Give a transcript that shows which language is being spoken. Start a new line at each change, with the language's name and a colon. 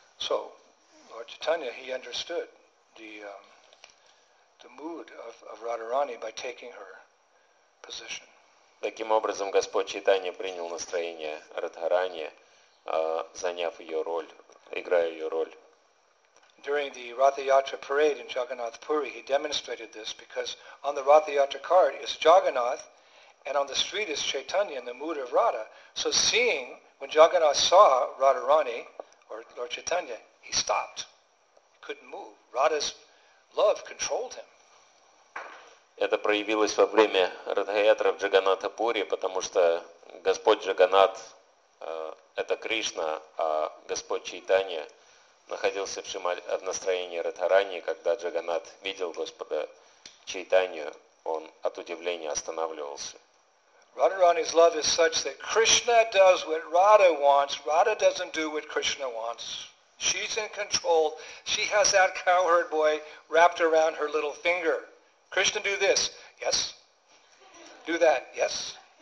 English: So, Lord Chaitanya, he understood the mood of Radharani by taking her position.
Russian: Таким образом, Господь Чайтанья принял настроение Радхарани, заняв ее роль, играя ее роль.
English: During the Ratha Yatra parade in Jagannath Puri, he demonstrated this because on the Ratha Yatra cart is Jagannath, and on the street is Chaitanya in the mood of Radha. So seeing, when Jagannath saw Radharani, or Lord Chaitanya, he stopped. He couldn't move. Radha's love controlled him.
Russian: Это проявилось во время Радхаятры в Джаганнатхапуре, потому что Господь Джаганнат – это Кришна, а Господь Чайтанья находился в настроении Радхарани, и когда Джаганнат видел Господа Чайтанью, он от удивления останавливался.
English: Радхарани's love is such that Krishna does what Radha wants, Radha doesn't do what Krishna wants. She's in control. She has that cowherd boy wrapped around her little finger. Krishna, do this. Yes. Do that. Yes.